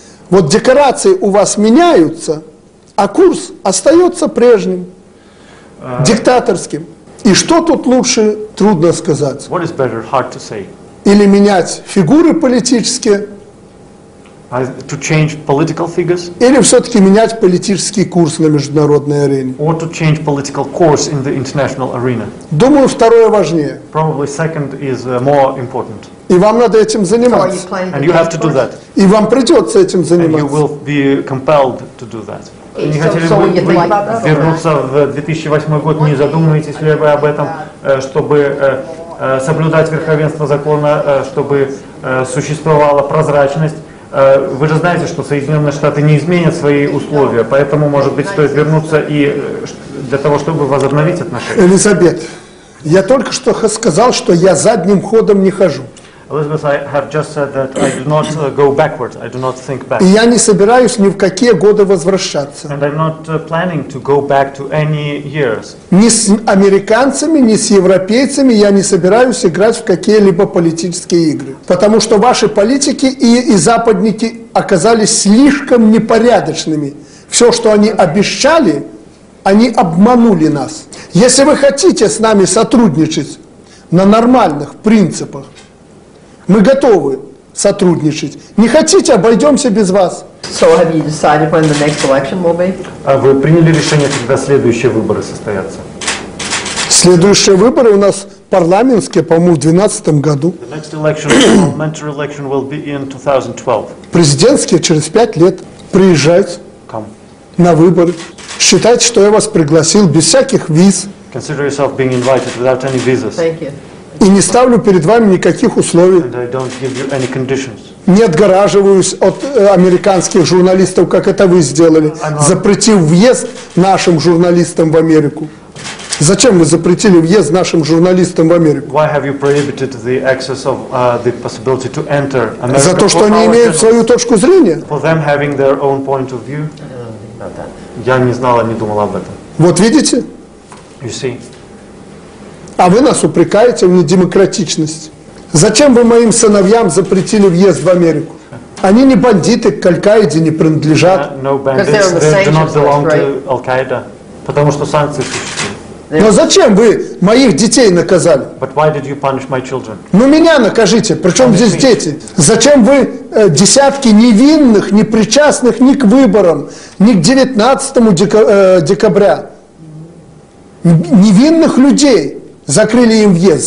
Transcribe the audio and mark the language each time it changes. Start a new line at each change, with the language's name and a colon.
Russian: Вот декорации у вас меняются, а курс остается прежним, диктаторским. И что тут лучше, трудно сказать.
English: What is better, hard to say?
Russian: Или менять фигуры политические,
English: to change political figures?
Russian: Или все-таки менять политический курс на международной арене?
English: Or to change political course in the international arena?
Russian: Думаю, второе важнее.
English: Probably second is more important.
Russian: И вам надо этим заниматься.
English: And you have to do that.
Russian: И вам придется этим заниматься.
English: And you will be compelled to do that.
Russian: Не хотели бы вы вернуться в 2008 год? Не задумываетесь ли вы об этом, чтобы соблюдать верховенство закона, чтобы существовала прозрачность? Вы же знаете, что Соединенные Штаты не изменят свои условия, поэтому, может быть, стоит вернуться и для того, чтобы возобновить отношения. Элизабет, я только что сказал, что я задним ходом не хожу.
English: Elizabeth, I have just said that I do not go backwards. I do not think back.
Russian: И я не собираюсь ни в какие годы возвращаться.
English: And I'm not planning to go back to any years.
Russian: Ни с американцами, ни с европейцами я не собираюсь играть в какие-либо политические игры, потому что ваши политики и западники оказались слишком непорядочными. Все, что они обещали, они обманули нас. Если вы хотите с нами сотрудничать на нормальных принципах, мы готовы сотрудничать. Не хотите, обойдемся без вас.
English: So have you decided when the next election will be?
Russian: А вы приняли решение, когда следующие выборы состоятся? Следующие выборы у нас парламентские, по-моему, в 2012 году.
English: The next election, parliamentary election will be in 2012.
Russian: Президентские через 5 лет. Приезжайте.
English: Come.
Russian: На выборы. Считайте, что я вас пригласил без всяких виз.
English: Consider yourself being invited without any visas. Thank you.
Russian: И не ставлю перед вами никаких условий.
English: I don't give you any conditions.
Russian: Не отгораживаюсь от американских журналистов, как это вы сделали, запретив въезд нашим журналистам в Америку. Зачем мы запретили въезд нашим журналистам в Америку?
English: Why have you prohibited the access of the possibility to enter America?
Russian: За то, что они имеют свою точку зрения?
English: For them having their own point of view?
Russian: Я не знал, не думал об этом. Вот видите?
English: You see?
Russian: А вы нас упрекаете в недемократичности. Зачем вы моим сыновьям запретили въезд в Америку? Они не бандиты, к Аль-Каиде не принадлежат.
English: No bandits, they do not belong to Al-Qaeda.
Russian: Потому что санкции существуют. Но зачем вы моих детей наказали?
English: But why did you punish my children?
Russian: Ну меня накажите, причем здесь дети? Зачем вы десятки невинных, непричастных ни к выборам, ни к 19 декабря, невинных людей закрыли им въезд?